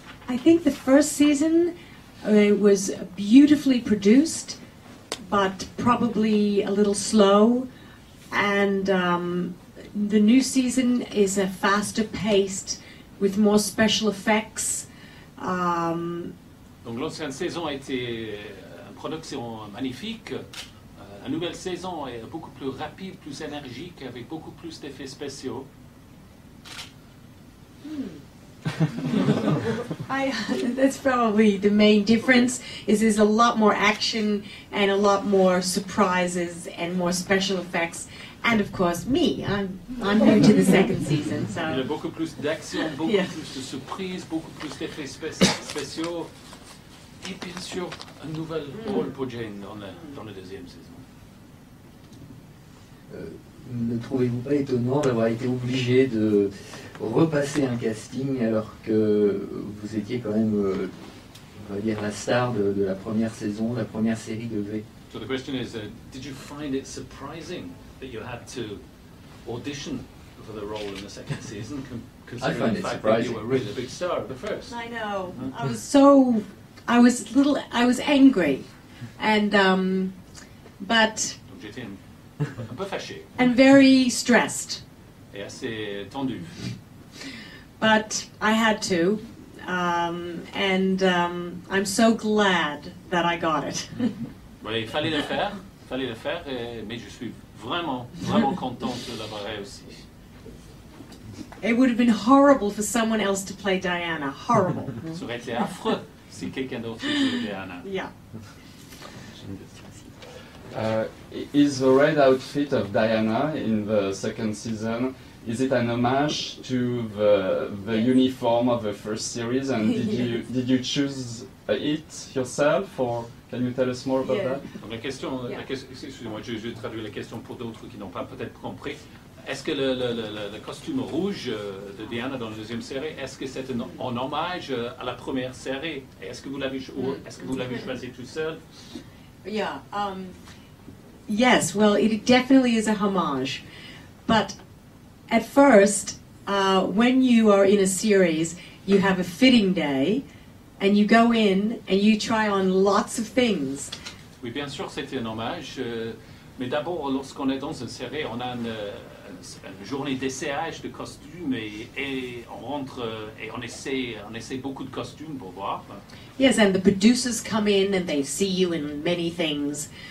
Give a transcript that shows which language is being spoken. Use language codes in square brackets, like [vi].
[en] I think the first season was beautifully produced, but probably a little slow. And the new season is a faster paced with more special effects. [fr] Donc l'ancienne saison a été une production magnifique. La nouvelle saison est beaucoup plus rapide, plus énergique, avec beaucoup plus d'effets spéciaux. [en] That's probably the main difference, is there's a lot more action and a lot more surprises and more special effects. And of course, me. I'm new to the second season, so. [fr] Il y a beaucoup plus d'action, beaucoup plus de surprises, beaucoup plus d'effets spéciaux. et bien sûr un nouvel rôle pour Jane dans la deuxième saison. Ne trouvez-vous pas étonnant d'avoir été obligé de repasser un casting alors que vous étiez quand même, on va dire, la star de la première saison, la première série de V? [en] So the question is, did you find it surprising that you had to audition for the role in the second season, considering the fact surprising. That you were really a big star at the first? I know. Huh? I was angry. And, but... [fr] Donc j'étais un peu fâché. [en] And very stressed. [fr] Et assez tendu. [en] But I had to. I'm so glad that I got it. [fr] Voilà, il fallait le faire, mais je suis vraiment, vraiment contente de l'avoir réussi. [en] It would have been horrible for someone else to play Diana. Horrible. [fr] Ça aurait été affreux si quelqu'un d'autre jouait Diana. [en] Yeah. Is the red outfit of Diana in the second season, is it an homage to the yes. uniform of the first series? And did you choose it yourself, or can you tell us more about that? [fr] Donc la question, [en] yeah. [fr] la question, excusez-moi, je vais traduire la question pour d'autres qui n'ont pas peut-être compris. Est-ce que le costume rouge de Diana dans la deuxième série, est-ce que c'est en hommage à la première série? Est-ce que vous l'avez choisi tout seul? [en] Yeah. Yes. Well, it definitely is a homage, but at first, when you are in a series, you have a fitting day. And you go in and you try on lots of things. [fr] Oui, bien sûr, c'était un hommage. Mais d'abord, lorsqu'on est dans une série, on a une journée d'essayage de costumes et on rentre et on essaie beaucoup de costumes pour voir. [en] Yes, and the producers come in and they see you in many things.